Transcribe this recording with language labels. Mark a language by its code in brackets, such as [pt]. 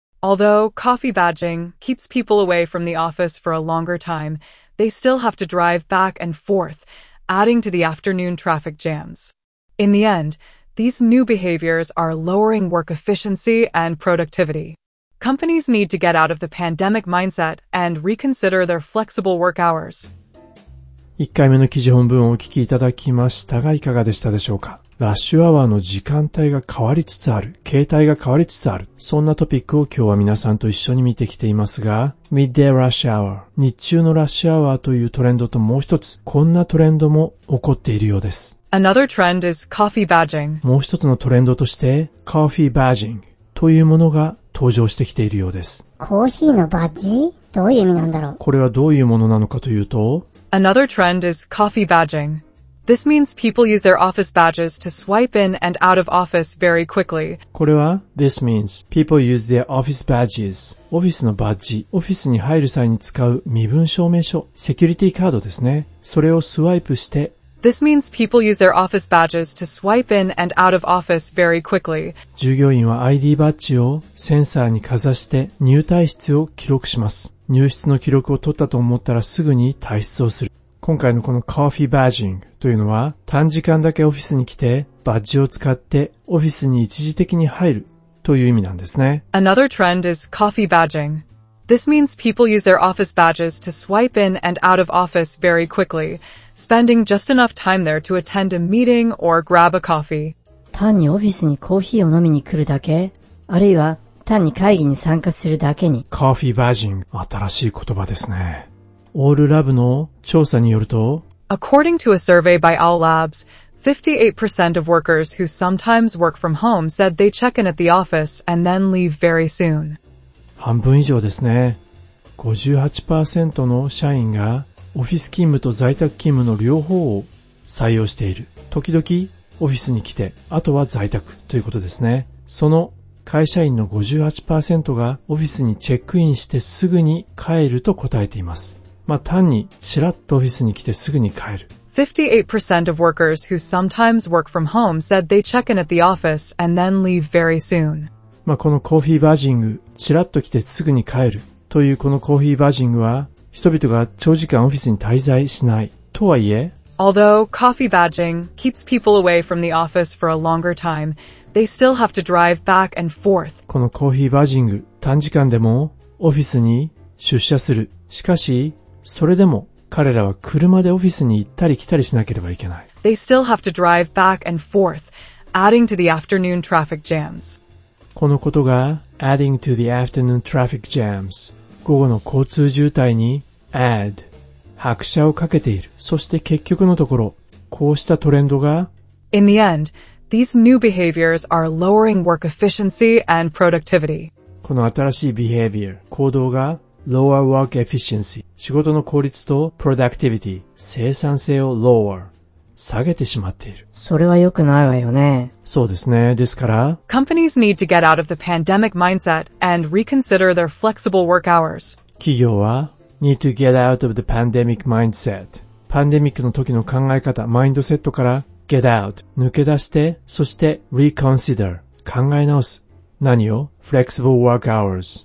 [en] Although coffee badging keeps people away from the office for a longer time, they still have to drive back and forth, adding to the afternoon traffic jams. In the end, these new behaviors are lowering work efficiency and productivity. Companies need to get out of the pandemic mindset and reconsider their flexible work hours. [ja] 1回目の記事本文をお聞きいただきましたが、いかがでしたでしょうか。ラッシュアワーの時間帯が変わりつつある、形態が変わりつつある、そんなトピックを今日は皆さんと一緒に見てきていますが、 Midday Rush Hour、 日中のラッシュアワーというトレンドと、もう一つこんなトレンドも起こっているようです。 [en] Another trend is coffee badging。 [ja] もう一つのトレンドとして Coffee Badging というものが登場してきているようです。コーヒーのバッジ、どういう意味なんだろう。これはどういうものなのかというと、 [en] Another trend is coffee badging. This means people use their office badges to swipe in and out of office very quickly. [ja] これは [en] This means people use their office badges. [ja] オフィスのバッジ、オフィスに入る際に使う身分証明書、セキュリティカードですね。それをスワイプして、 [en] This means people use their office badges to swipe in and out of office very quickly. [ja] 従業員は ID バッジをセンサーにかざして入退室を記録します。入室の記録を取ったと思ったらすぐに退室をする。今回のこのコーヒーバージングというのは、短時間だけオフィスに来てバッジを使ってオフィスに一時的に入るという意味なんですね。 [en] Another trend is coffee badging. This means people use their office badges to swipe in and out of office very quickly, spending just enough time there to attend a meeting or grab a coffee. [ja] 単にオフィスにコーヒーを飲みに来るだけ、あるいは単に会議に参加するだけに。コーヒーバージング、新しい言葉ですね。オールラブの調査によると、 [en] According to a survey by Owl Labs, 58% of workers who sometimes work from home said they check in at the office and then leave very soon. [ja] 半分以上ですね。 58% の社員がオフィス勤務と在宅勤務の両方を採用している。時々オフィスに来て、あとは在宅ということですね。その会社員の 58% がオフィスにチェックインしてすぐに帰ると答えています。まあ、単にちらっとオフィスに来てすぐに帰る。 [en] 58% of workers who sometimes work from home said they check in at the office and then leave very soon. [ja] まあ、このコーヒーバージング、ちらっと来てすぐに帰るというこのコーヒーバージングは、人々が長時間オフィスに滞在しないとはいえ、 [en] Although coffee badging keeps people away from the office for a longer time, they still have to drive back and forth. [ja] このコーヒーバージング、短時間でもオフィスに出社する。しかし、それでも彼らは車でオフィスに行ったり来たりしなければいけない。 [en] They still have to drive back and forth, adding to the afternoon traffic jams. [ja] このことが [en] adding to the afternoon traffic jams。 [ja] 午後の交通渋滞に add。拍車をかけている。そして結局のところ、こうしたトレンドが、 [en] In the end, these new behaviors are lowering work efficiency and productivity. [ja] この新しい behavior、行動が、 [en] lower work efficiency [ja] 仕事の効率と productivity 生産性を lower 下げてしまっている。それは良くないわよね。そうですね。ですから [en] Companies need to get out of the pandemic mindset and reconsider their flexible work hours. [ja] 企業は [en] need to get out of the pandemic mindset [ja] パンデミックの時の考え方、マインドセットから [en] get out [ja] 抜け出して、そして reconsider 考え直す。何を [en] ?flexible work hours.